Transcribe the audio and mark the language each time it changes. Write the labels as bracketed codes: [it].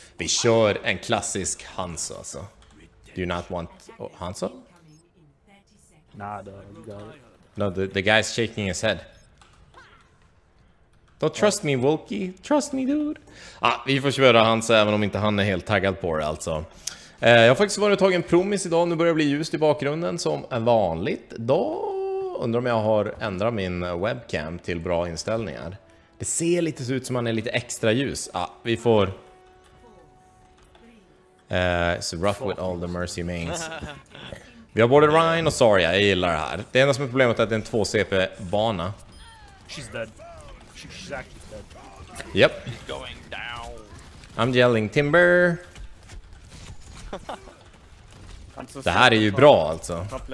[sv] Vi kör en klassisk Hanzo alltså. [en] Do you not want Hanzo? Nah, dog. No, the guy's shaking his head. Don't trust me, Wolkie. Trust me, dude. [sv] Vi får köra Hanzo även om inte han är helt taggad på det alltså. Jag har faktiskt varit och tagit en promis idag. Nu börjar det bli ljust i bakgrunden som en vanligt dag. Undrar om jag har ändrat min webcam till bra inställningar. Det ser lite så ut som att man är lite extra ljus. Vi får... [en] It's rough with all the mercy mains. [sv] Vi har både Ryan och Saria, jag gillar det här. Det enda som är problemet är att det är en 2-CP-bana. [en] She's dead. She's actually dead. Yep. Going down. I'm yelling timber. [sv] Det här är ju bra alltså.